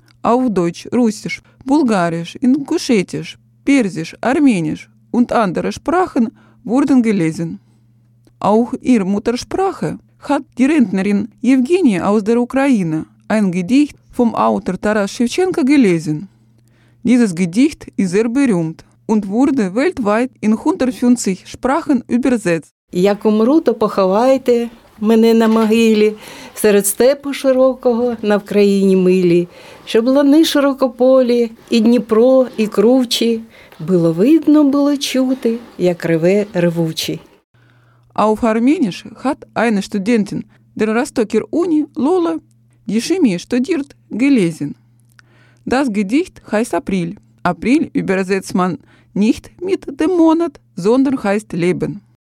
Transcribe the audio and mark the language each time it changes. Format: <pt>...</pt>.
<de>Auf Deutsch, Russisch, Bulgarisch, Ingushetisch, Persisch, Armenisch und andere Sprachen wurden gelesen. Auch ihre Muttersprache hat die Rentnerin Evgenie aus der Ukraine ein Gedicht vom Autor Taras Schewtschenko gelesen. Dieses Gedicht ist sehr berühmt und wurde weltweit in 150 Sprachen übersetzt.</de> <uk>Як умру, то поховайте мене на могилі, серед степу широкого на Вкраїні милі, щоб лани широкополі, і Дніпро, і Кручі, було видно, було чути, як реве ревучі.</uk> <de>Auf Armenisch hat eine Studentin der Rostocker Uni, Lola, die Chemie studiert, gelesen. Das Gedicht heißt April. April übersetzt man nicht mit dem Monat, sondern heißt Leben.</de>